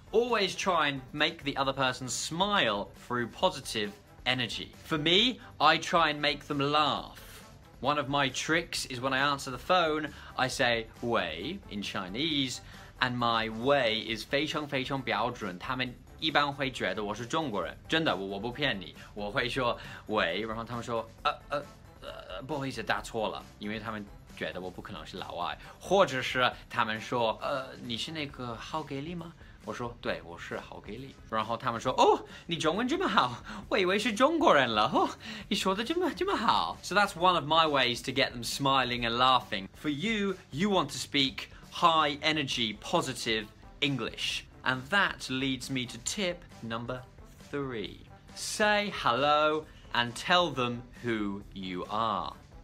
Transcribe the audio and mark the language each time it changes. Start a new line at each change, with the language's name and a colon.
English: Always try and make the other person smile through positive energy. For me, I try and make them laugh. One of my tricks is when I answer the phone, I say "喂" in Chinese, and my "喂" is
Chinese: 非常非常标准。他们一般会觉得我是中国人，真的，我不骗你，我会说"喂"，然后他们说不好意思，打错了，因为他们觉得我不可能是老外，或者是他们说你是那个好给力吗？我说对，我是好给力。然后他们说哦，你中文这么好，我以为是中国人了。哦，你说的这么好。
English: So that's one of my ways to get them smiling and laughing. For you want to speak high energy, positive English. And that leads me to tip number three. Say hello and tell them who you are.